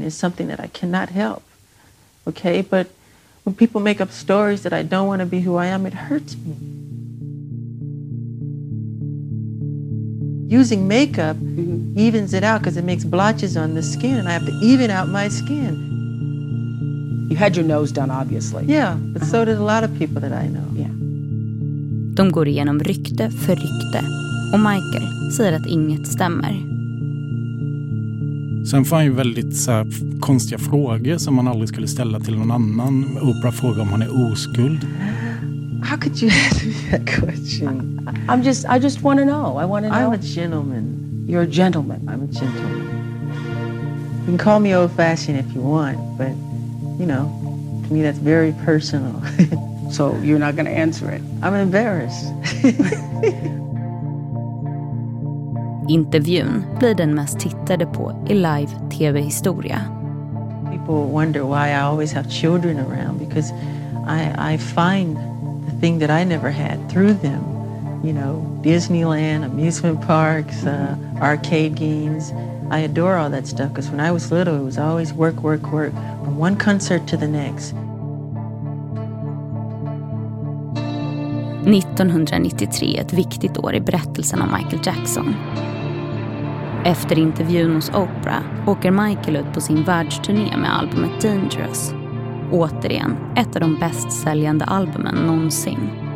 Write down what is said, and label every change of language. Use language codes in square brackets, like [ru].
[en] It's something that I cannot help. Okay, but when people make up stories that I don't want to be who I am, it hurts me. Using makeup evens it out because it makes blotches on the skin, and I have to even out my skin. You had your nose done, obviously. Yeah, but so did a lot of people that I know. Yeah. [sv] De går igenom rykte för rykte, och Michael säger att inget stämmer. Sen får han ju väldigt så här konstiga frågor som man aldrig skulle ställa till någon annan. Oprah frågar om han är oskuld. [en] How could you ask that question? I just want to know. I want to know. I'm a gentleman. You're a gentleman. I'm a gentleman. You can call me old fashioned if you want, but you know, to me that's very personal. So you're not going to answer it. I'm embarrassed. [sv] Intervjun blir den mest tittade på i live TV-historia. [en] People wonder why I always have children around, because I find the thing that I never had through them. You know, Disneyland, amusement parks, arcade games. I adore all that stuff because when I was little it was always work, work, work, from one concert to the next. [sv] 1993 är ett viktigt år i berättelsen om Michael Jackson. Efter intervjun hos Oprah åker Michael ut på sin världsturné med albumet Dangerous. Återigen, ett av de bäst säljande albumen någonsin.